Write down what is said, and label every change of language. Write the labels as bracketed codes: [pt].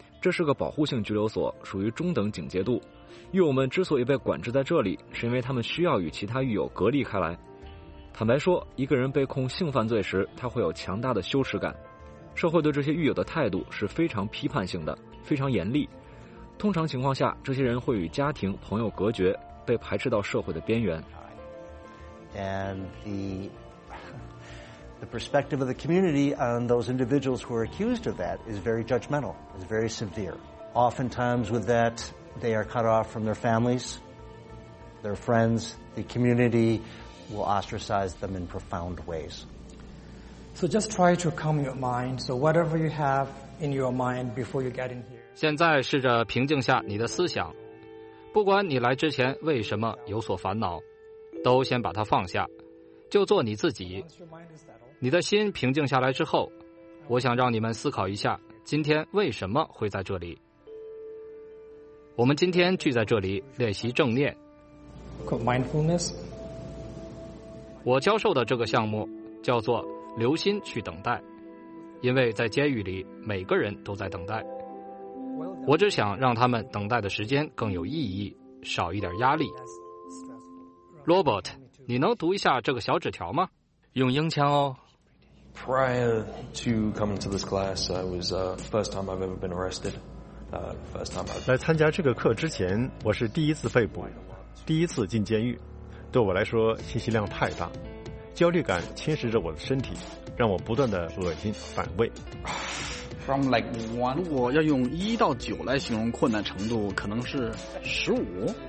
[zh] 这是个保护性拘留所，属于中等警戒度。狱友们之所以被管制在这里，是因为他们需要与其他狱友隔离开来。坦白说，一个人被控性犯罪时，他会有强大的羞耻感。社会对这些狱友的态度是非常批判性的，非常严厉。通常情况下，这些人会与家庭、朋友隔绝，被排斥到社会的边缘。 [en] And the perspective of the community on those individuals who are accused of that is very judgmental, is very severe. Oftentimes, with that, they are cut off from their families, their friends, the community will ostracize them in profound ways. So just try to calm your mind. So whatever you have in your mind before you get in here. [zh] 现在试着平静下你的思想，不管你来之前为什么有所烦恼，都先把它放下，就做你自己。你的心平静下来之后，我想让你们思考一下今天为什么会在这里。我们今天聚在这里练习正念。 [en] Mindfulness. [zh] 我教授的这个项目叫做留心去等待，因为在监狱里每个人都在等待，我只想让他们等待的时间更有意义，少一点压力。 Robert， 你能读一下这个小纸条吗？用英腔哦。 [en] Prior to coming to this class I was first time I've ever been arrested first time I've [zh] 来参加这个课之前，我是第一次被捕，第一次进监狱，对我来说信息量太大，焦虑感侵蚀着我的身体，让我不断的恶心反胃。 [en] From like one， [zh] 如果要用一到九来形容困难程度，可能是十五。